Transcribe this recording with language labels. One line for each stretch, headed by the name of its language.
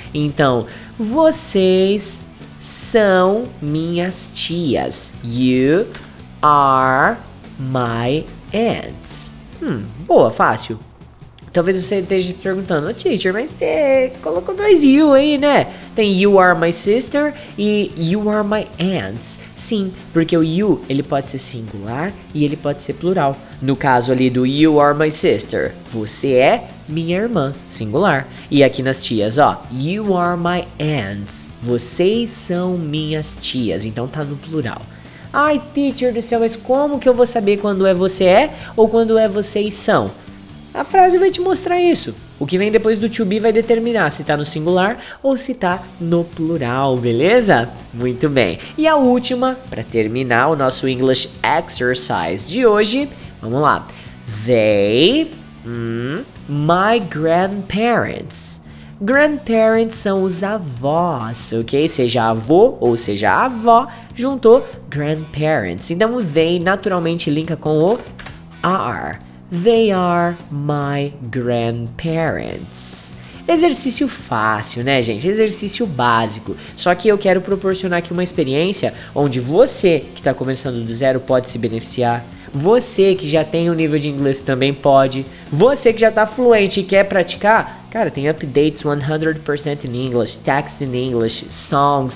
Portuguese: Então, vocês são minhas tias.
English: You are my aunts.
Portuguese: Boa, fácil. Talvez você esteja perguntando, teacher, mas você colocou dois you aí, né?
English: Tem you are my sister e you are my aunts.
Portuguese: Sim, porque o you, ele pode ser singular e ele pode ser plural. No caso ali do
English: you are my sister,
Portuguese: você é minha irmã, singular. E aqui nas tias, ó,
English: you are my aunts,
Portuguese: vocês são minhas tias, então tá no plural. Ai, teacher do céu, mas como que eu vou saber quando é você é ou quando é vocês são? A frase vai te mostrar isso. O que vem depois do to be vai determinar se tá no singular ou se tá no plural, beleza? Muito bem. E a última, pra terminar o nosso English exercise de hoje, vamos lá.
English: They, my grandparents.
Portuguese: Grandparents são os avós, ok? Seja avô ou seja avó, juntou grandparents. Então, they naturalmente linka com o are.
English: They are my grandparents.
Portuguese: Exercício fácil, né, gente? Exercício básico. Só que eu quero proporcionar aqui uma experiência onde você que está começando do zero pode se beneficiar. Você que já tem um nível de inglês também pode. Você que já está fluente e quer praticar, cara, tem
English: updates 100% in English, text in English, songs.